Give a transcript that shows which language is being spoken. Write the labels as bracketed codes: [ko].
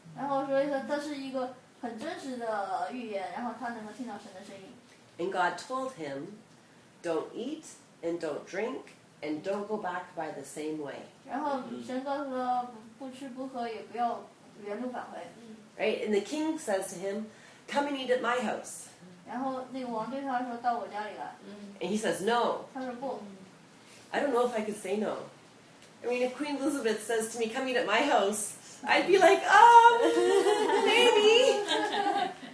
[zh] 然后所以说这是一个很真实的预言，然后他能够听到神的声音。 [en] And God told him, don't eat and don't drink and don't go back by the same way. [zh] 然后神告诉他不吃不喝也不要原路返回。 [en] Right? And the king says to him, come and eat at my house. [zh] 然后那个王对他说到我家里来。 [en] And he says, no. [zh] 他说不。 [en] I don't know if I could say no. I mean, if Queen Elizabeth says to me, come eat at my house, I'd be like, maybe.